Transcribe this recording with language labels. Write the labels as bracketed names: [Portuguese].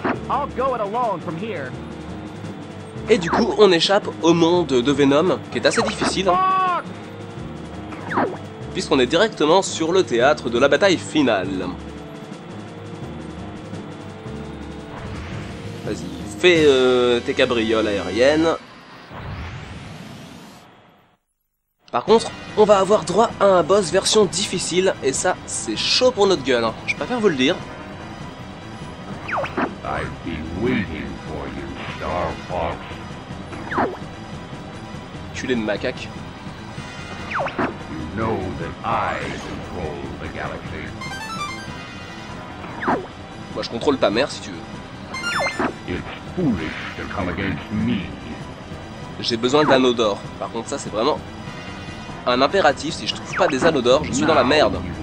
[English] I'll go it alone from here. [French] Et du coup, on échappe au monde de Venom, qui est assez difficile. [English] Fuck! [French] Puisqu'on est directement sur le théâtre de la bataille finale. Vas-y, fais tes cabrioles aériennes. Par contre, on va avoir droit à un boss version difficile, et ça, c'est chaud pour notre gueule. Je préfère vous le dire. [English] I've been waiting for you, Star Fox. [French] Tu l'es de macaque. [English] You know that I control the galaxy. [French] Moi, je contrôle ta mère, si tu veux. [English] It's foolish to come against me. [French] J'ai besoin d'anneaux d'or. Par contre, ça, c'est vraiment un impératif. Si je trouve pas des anneaux d'or, je suis dans la merde.